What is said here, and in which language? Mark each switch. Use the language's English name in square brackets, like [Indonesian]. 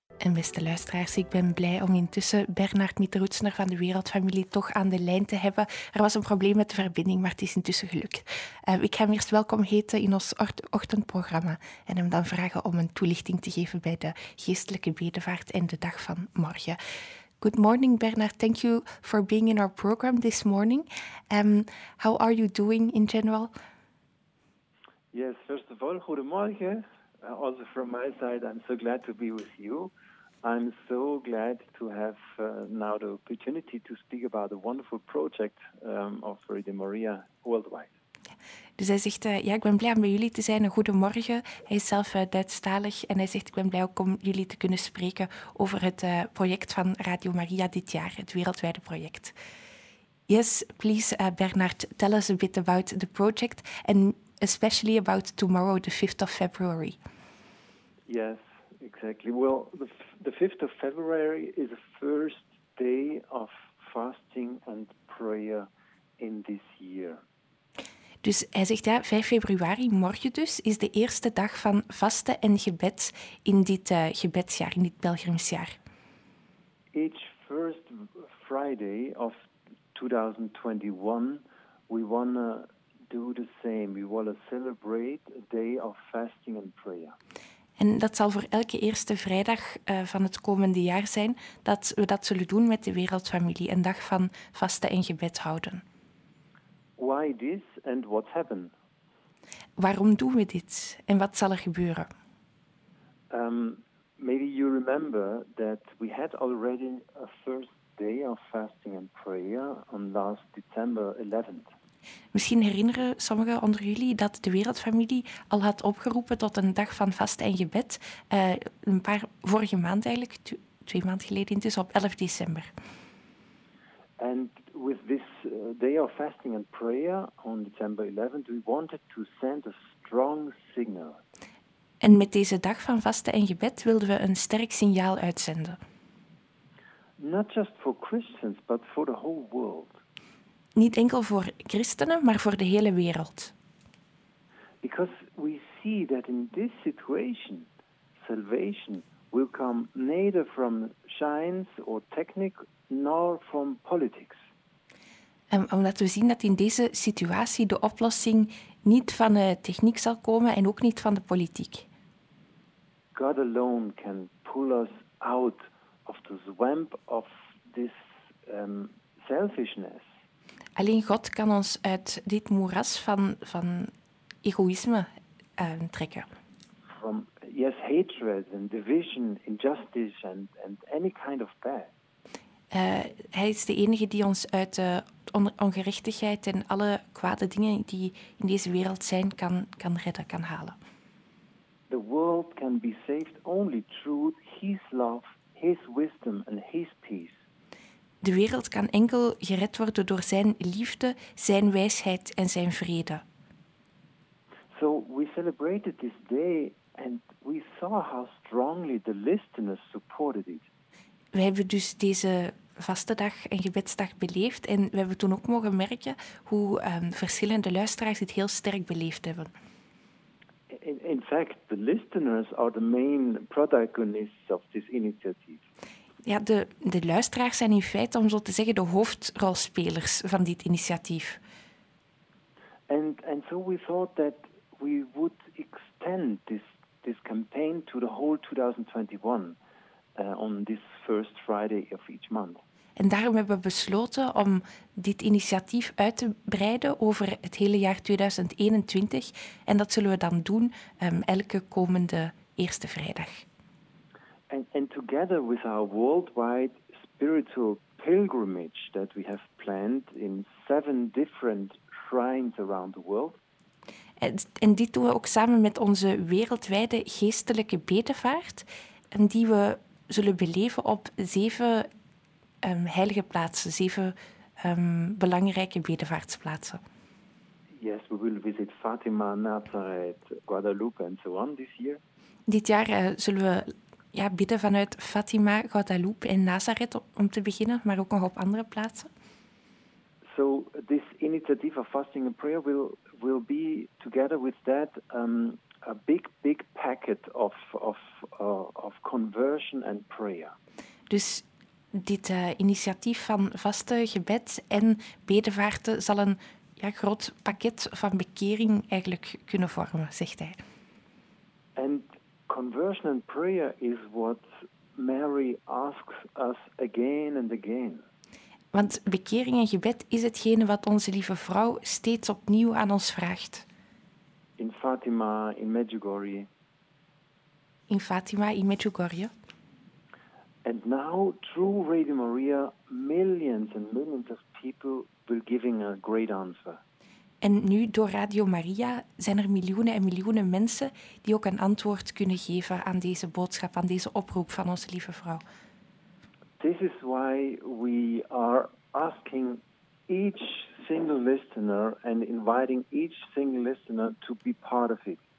[Dutch] Beste luisteraars, ik ben blij om intussen Bernard Mitroetsner van de Wereldfamilie toch aan de lijn te hebben. Er was een probleem met de verbinding, maar het is intussen gelukt. Ik ga hem eerst welkom heten in ons ochtendprogramma en hem dan vragen om een toelichting te geven bij de geestelijke bedevaart en de dag van morgen. [English] Good morning, Bernard. Thank you for being in our program this morning. How are you doing in general? Yes, first of all, goedemorgen. Also from my side, I'm so glad to be with you. I'm so glad to have now the opportunity to speak about a wonderful project of Radio Maria worldwide. [Dutch] Dus hij zegt, ja, ik ben blij om bij jullie te zijn. Een goedemorgen. Hij is zelf Duitsstalig en hij zegt, ik ben blij ook om jullie te kunnen spreken over het project van Radio Maria dit jaar, het wereldwijde project. [English] Yes, please, Bernard, tell us a bit about the project and especially about tomorrow, the 5th of February. Yes. Exactly. Well, the 5th of February is the first day of fasting and prayer in this year. [Dutch] Dus hij zegt ja, 5 februari, morgen dus, is de eerste dag van vasten en gebed in dit gebedsjaar, in dit pelgrimsjaar. [English] Each first Friday of 2021, we want to do the same. We want to celebrate a day of fasting and prayer. [Dutch] En dat zal voor elke eerste vrijdag van het komende jaar zijn dat we dat zullen doen met de Wereldfamilie, een dag van vasten en gebed houden. [English] Why this and what happened? [Dutch] Waarom doen we dit en wat zal er gebeuren? [English] Maybe you remember that we had already a first day of fasting and prayer on last December 11th. [Dutch] Misschien herinneren sommigen onder jullie dat de Wereldfamilie al had opgeroepen tot een dag van vasten en gebed vorige maand eigenlijk, twee maanden geleden, dus op 11 december. [English] And with this day of fasting and prayer on December 11th, we wanted to send a strong signal. [Dutch] En met deze dag van vasten en gebed wilden we een sterk signaal uitzenden. [English] Not just for Christians, but for the whole world. [Dutch] Niet enkel voor christenen, maar voor de hele wereld. [English] Because we see that in this situation, salvation will come neither from science or technique, nor from politics. [Dutch] En omdat we zien dat in deze situatie de oplossing niet van de techniek zal komen en ook niet van de politiek. [English] God alone can pull us out of the swamp of this selfishness. [Dutch] Alleen God kan ons uit dit moeras van egoïsme trekken. [English] From, yes, hatred and division, injustice and any kind of bad. [Dutch] Hij is de enige die ons uit de ongerechtigheid en alle kwade dingen die in deze wereld zijn kan redden, kan halen. [English] The world can be saved only through his love, his wisdom and his peace. [Dutch] De wereld kan enkel gered worden door zijn liefde, zijn wijsheid en zijn vrede. [English] So we celebrated this day and we saw how strongly the listeners supported it. [Dutch] We hebben dus deze vastedag en gebedsdag beleefd en we hebben toen ook mogen merken hoe verschillende luisteraars dit heel sterk beleefd hebben. [English] In fact, the listeners are the main protagonists of this initiative. [Dutch] Ja, de luisteraars zijn in feite, om zo te zeggen, de hoofdrolspelers van dit initiatief. [English] And so we thought that we would extend this campaign to the whole 2021 on this first Friday of each month. [Dutch] En daarom hebben we besloten om dit initiatief uit te breiden over het hele jaar 2021. En dat zullen we dan doen elke komende eerste vrijdag. [English] And together with our worldwide spiritual pilgrimage that we have planned in 7 different shrines around the world. [Dutch] En dit doen we ook samen met onze wereldwijde geestelijke bedevaart, die we zullen beleven op 7 heilige plaatsen, 7 belangrijke bedevaartsplaatsen. [English] Yes, we will visit Fatima, Nazareth, Guadalupe and so on this year. [Dutch] Dit jaar zullen we bidden vanuit Fatima, Guadalupe en Nazareth om te beginnen, maar ook nog op andere plaatsen. [English] So this initiative of fasting and prayer will be together with that a big packet of conversion and prayer. [Dutch] Dus dit initiatief van vaste, gebed en bedevaarten zal een groot pakket van bekering eigenlijk kunnen vormen, zegt hij. [English] And conversion and prayer is what Mary asks us again and again. [Dutch] Want bekering en gebed is hetgene wat onze lieve vrouw steeds opnieuw aan ons vraagt. [English] In Fatima, in Medjugorje. [Dutch] In Fatima, in Medjugorje. [English] And now, through Radio Maria, millions and millions of people will give a great answer. [Dutch] En nu, door Radio Maria, zijn er miljoenen en miljoenen mensen die ook een antwoord kunnen geven aan deze boodschap, aan deze oproep van onze lieve vrouw. [English] This is why we are asking each single listener and inviting each single listener to be part of it.